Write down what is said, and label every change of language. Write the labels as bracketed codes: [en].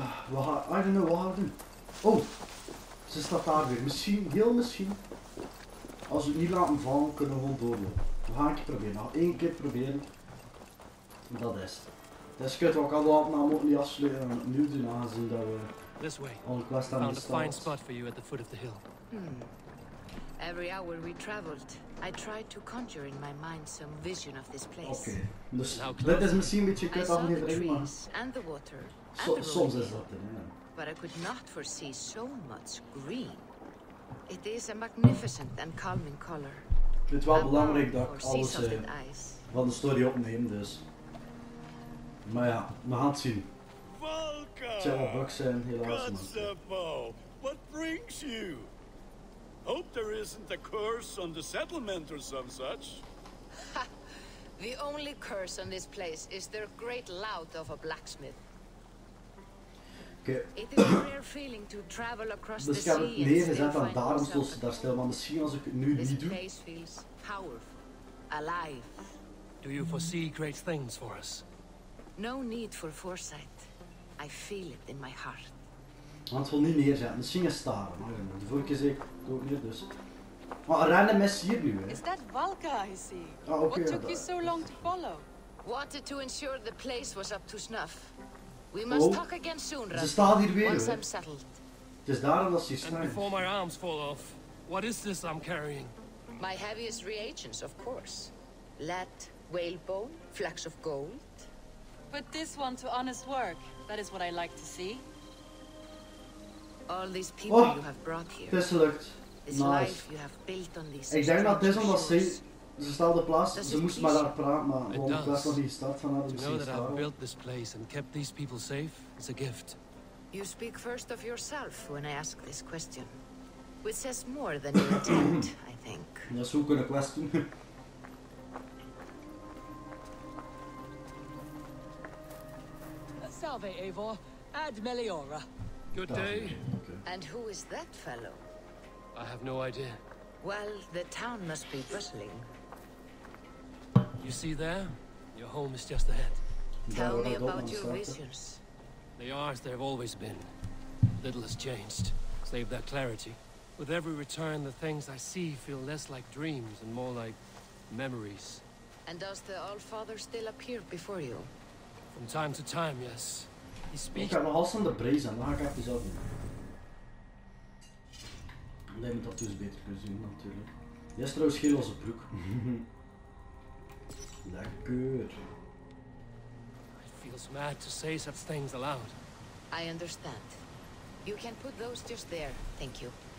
[nl] wat gaan we doen? Oh, ze staat daar weer. Misschien, heel misschien... Als we het niet laten vallen, kunnen we gewoon doorlopen. We gaan het proberen. Nou, één keer proberen. Dat is het. Dat is kut, want ik had de opname ook niet afsluiten. En nu doen, aangezien dat we... [en] This way. [nl] Al een quest aan de stad. [en] Found a fine spot for you at the foot of the hill. Every hour we traveled, I tried to conjure in my mind some vision of this place. [nl] Oké, okay. Dus dit is misschien een beetje kut aflevering, maar... [en] And the water, [nl] soms is dat er, ja. [en] But I could not foresee so much green. It is a magnificent and calming color. [nl] Ik vind het wel belangrijk dat ik alles van de story opneem, dus... Maar ja, we gaan het zien. Valka! Het zijn wel bugs zijn, helaas, man. [en] Godzepo! What brings you? Hope there isn't a curse on the settlement or some such. The only curse on this place is their great lout of a blacksmith. Okay. It is a rare feeling to travel across the sea and still find yourself at home. This place feels powerful, alive. Do you foresee great things for us? No need for foresight. I feel it in my heart. [nl] Want wil niet neerzetten. Misschien is staren. Maar de vorige keer zei ik het ook niet, dus. Maar oh, Rennem is hier nu, hè. Is dat Valka, [en] I see? [nl] Ah, oké. Okay, [en] what took you so long to follow? Wanted to ensure the place was up to snuff. We must talk again soon, Rennem. [nl] Ze staat hier weer, [en] once I'm settled. [nl] Het is daarom dat ze hier staat. [en] And before my arms fall off, what is this I'm carrying? My heaviest reagents, of course. Lead, whalebone, flecks of gold. Put this one to honest work. That is what I like to see. All these people you have brought here. This looked nice. You have built on these. [nl] Ik denk dat dit omdat ze staat de plaats. Ze moest maar daar praten, maar om de plaats van die stad van haar. [en] To know that I've built this place and kept these people safe is a gift. You speak first of yourself when I ask this question, which says more than you intend, I think. [nl] Ja, zo kunnen kwesten. [la] Salve, Eivor. Ad Meliora. [en] Good day. Okay. And who is that fellow? I have no idea. Well, the town must be bustling. You see there? Your home is just ahead. Tell me about your visions. They are as they have always been. Little has changed, save their clarity. With every return, the things I see feel less like dreams and more like memories. And does the Old Father still appear before you? From time to time, yes. He speaks. [nl] Ik heb nog alles aan de breis aan, dan ga ik het zelf doen. Nee, moet dat dus beter kunnen zien, natuurlijk. Die is trouwens geen losse broek. Lekker. [en] It feels mad to say such things aloud. I understand. You can put those just there, thank you.